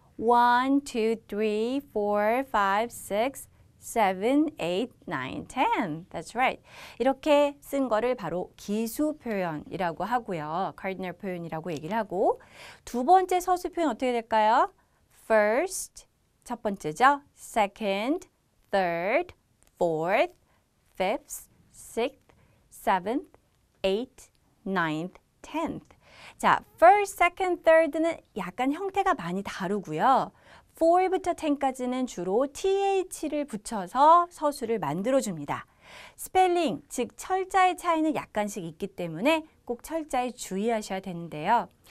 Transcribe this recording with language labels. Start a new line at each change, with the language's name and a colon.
English: 1, 2, 3, 4, 5, 6, 7, 8, 9, 10. That's right.
Korean: 이렇게 쓴 거를 바로 기수 표현이라고 하고요. Cardinal 표현이라고 얘기를 하고 두 번째 서수 표현 어떻게 될까요? First, 첫 번째죠.
English: Second, third, fourth, fifth, sixth, seventh, eighth, ninth, tenth.
Korean: 자, first, second, third는 약간 형태가 많이 다르고요. 4부터 10까지는 주로 TH를 붙여서 서술을 만들어줍니다. 스펠링, 즉 철자의 차이는 약간씩 있기 때문에 꼭 철자에 주의하셔야 되는데요.